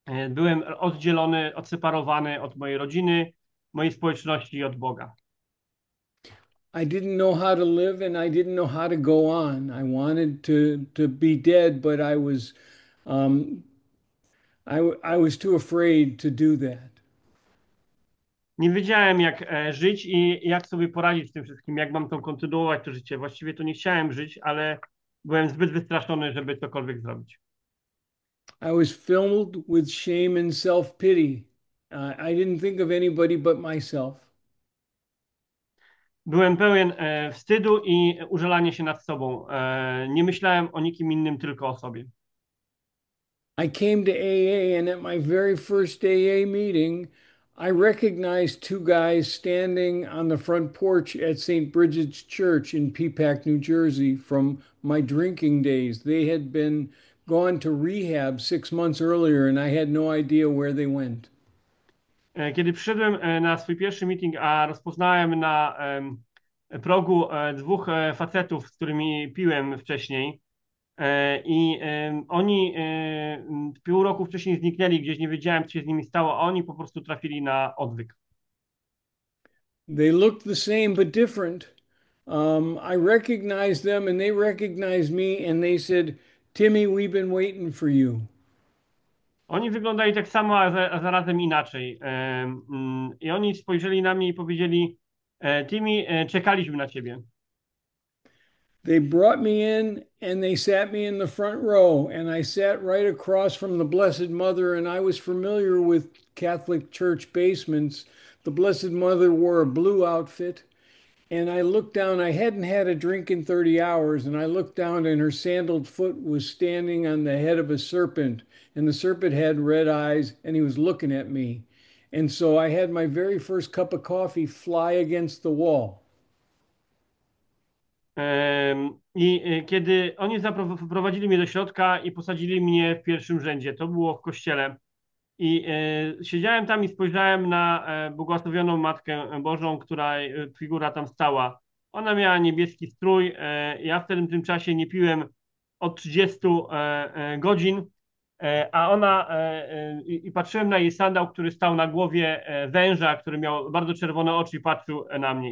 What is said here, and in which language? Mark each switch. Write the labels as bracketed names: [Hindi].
[Polish] Byłem oddzielony, odseparowany od mojej rodziny, mojej społeczności i od Boga. [English] I didn't know how to live and I didn't know how to go on. I wanted to be dead, but I was too afraid to do that. [Polish] Nie wiedziałem, jak żyć i jak sobie poradzić z tym wszystkim, jak mam to kontynuować, to życie. Właściwie to nie chciałem żyć, ale byłem zbyt wystraszony, żeby cokolwiek zrobić. [English] I was filled with shame and self-pity. I didn't think of anybody but myself. [Polish] Byłem pełen wstydu i użalania się nad sobą. Nie myślałem o nikim innym, tylko o sobie. [English] I came to AA, and at my very first AA meeting, I recognized two guys standing on the front porch at St. Bridget's Church in Peapack, New Jersey, from my drinking days. They had been gone to rehab 6 months earlier, and I had no idea where they went. [Polish] Kiedy przyszedłem na swój pierwszy meeting, a rozpoznałem na progu dwóch facetów, z którymi piłem wcześniej, I oni pół roku wcześniej zniknęli gdzieś, nie wiedziałem, co się z nimi stało, a oni po prostu trafili na odwyk. [English] They looked the same but different. I recognized them and they recognized me and they said, Timmy, we've been waiting for you. [Polish] Oni wyglądali tak samo, a zarazem inaczej. I oni spojrzeli na mnie i powiedzieli: Timmy, czekaliśmy na ciebie. [English] They brought me in and they sat me in the front row and I sat right across from the Blessed Mother and I was familiar with Catholic church basements. The Blessed Mother wore a blue outfit and I looked down. I hadn't had a drink in 30 hours and I looked down and her sandaled foot was standing on the head of a serpent and the serpent had red eyes and he was looking at me. And so I had my very first cup of coffee fly against the wall. [Polish] I kiedy oni wprowadzili mnie do środka i posadzili mnie w pierwszym rzędzie, to było w kościele. I siedziałem tam i spojrzałem na błogosławioną Matkę Bożą, która figura tam stała. Ona miała niebieski strój. Ja w tym czasie nie piłem od 30 godzin, a ona i patrzyłem na jej sandał, który stał na głowie węża, który miał bardzo czerwone oczy i patrzył na mnie.